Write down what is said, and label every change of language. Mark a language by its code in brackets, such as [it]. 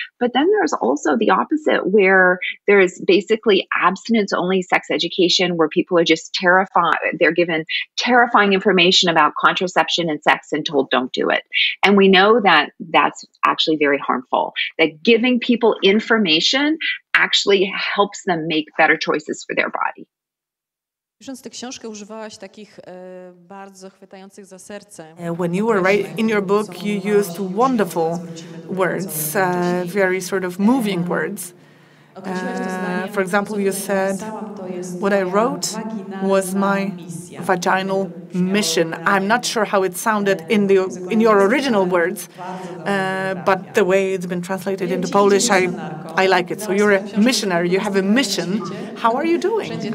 [en] But then there's also the opposite where there's basically abstinence-only sex education where people are just terrified. They're given terrifying information about contraception and sex and told don't do it. And we know that that's actually very harmful, that giving people information actually helps them make better choices for their body. [pl] Pisząc tę książkę, używałaś takich bardzo chwytających za serce. [en] When you were writing in your book, you used wonderful words, very sort of moving words. For example, you said, what I wrote was my vaginal mission. I'm not sure how it sounded in your original words, but the way it's been translated into Polish, I like it. So you're a missionary, you have a mission. How are you doing?